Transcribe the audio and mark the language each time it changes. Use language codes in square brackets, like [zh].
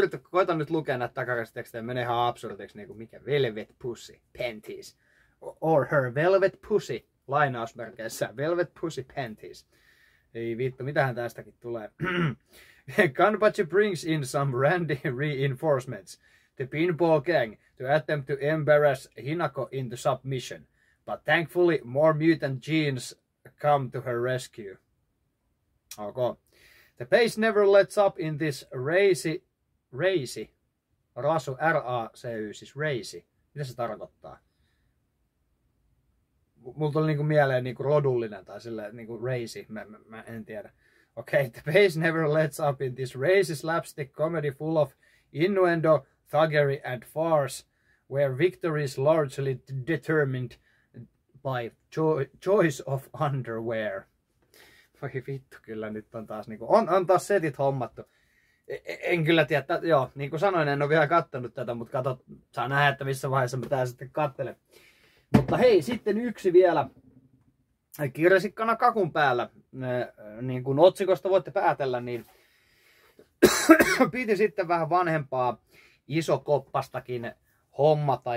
[fi] Koitan nyt lukea näitä takakansitekstejä, menee ihan absurdiksi, niin kuin mikä velvet pussy panties, [en] or her velvet pussy, [fi] lainausmerkeissä, velvet pussy panties. Ei vittu, mitähän tästäkin tulee. [en] Kanpachi brings in some randy reinforcements. The pinball gang to attempt to embarrass Hinako into submission. But thankfully, more mutant genes come to her rescue. Okay. The pace never lets up in this racy. [fi] Rasu, R-A-C-Y, siis racy. Mitä se tarkoittaa? Mulla tuli niinku mieleen niinku rodullinen tai silleen niinku racy, mä en tiedä. [en] Okay, the pace never lets up in this racy slapstick comedy full of innuendo, thuggery and farce, where victory is largely determined by choice of underwear. [fi] Voi vittu, kyllä nyt on taas niinku, on taas setit hommattu. En kyllä tiedä, että, joo, niin kuin sanoin, en ole vielä kattonut tätä, mutta kato, saa nähdä, että missä vaiheessa mä tää sitten kattelen. Mutta hei, sitten yksi vielä. Kirsikkana kakun päällä, niin kuin otsikosta voitte päätellä, niin piti sitten vähän vanhempaa isokoppastakin hommata.